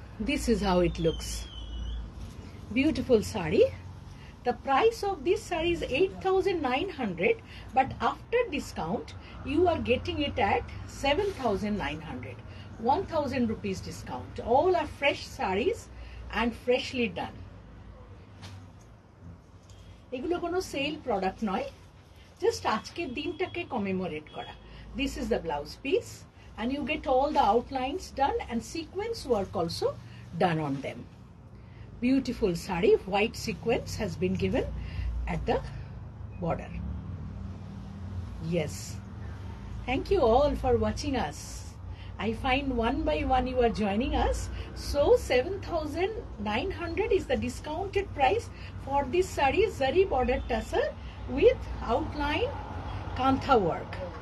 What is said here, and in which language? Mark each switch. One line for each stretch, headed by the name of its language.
English: This is how it looks. Beautiful sari. The price of this sari is 8,900, but after discount you are getting it at 7,900. 1,000 rupees discount. All are fresh sarees and freshly done.
Bangla: এগুলো কোনো sell product নয়, just আজকের দিনটাকে commemorate করা.
English: This is the blouse piece and you get all the outlines done and sequence work also done on them. Beautiful sari, white sequence has been given at the border. Yes, thank you all for watching us. I find one by one you are joining us. So 7,900 is the discounted price for this sari, zari border tassar with outline kantha work.